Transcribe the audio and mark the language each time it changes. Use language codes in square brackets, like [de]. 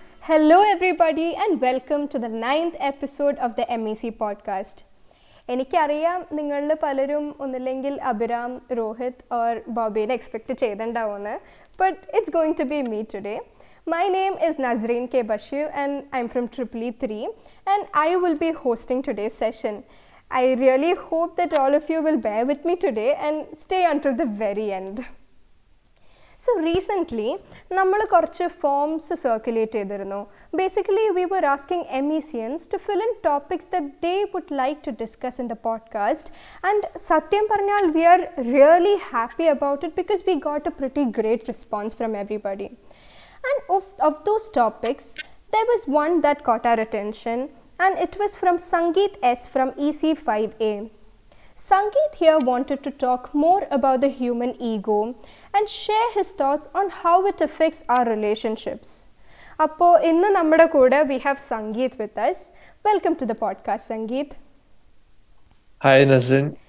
[en] Hello everybody and welcome to the 9th episode of the MEC podcast. [ml] എനിക്കറിയാം നിങ്ങളിൽ പലരും ഒന്നില്ലെങ്കിൽ Abhiram, Rohit or ബോബിനെ expect ചെയ്തിട്ടുണ്ടാവുമെന്ന്. [en] But it's going to be me today. My name is Nasreen K Basheer and I am from 333 and I will be hosting today session. I really hope that all of you will bear with me today and stay until the very end. So recently, [ml] നമ്മൾ കുറച്ച് forms circulate ചെയ്തിരുന്നു. [en] Basically we were asking MECians to fill in topics that they would like to discuss in the podcast. And [ml] സത്യം പറഞ്ഞാൽ [en] We are really happy about it because we got a pretty great response from everybody. And of those topics there was one that got our attention and it was from Sangeeth S from EC5A. Sangeeth here wanted to talk more about the human ego and share his thoughts on how it affects our relationships. [ml] Appo innu nammada kooda [en] we have Sangeeth with us. Welcome to the podcast, Sangeeth. Hi Nazrin.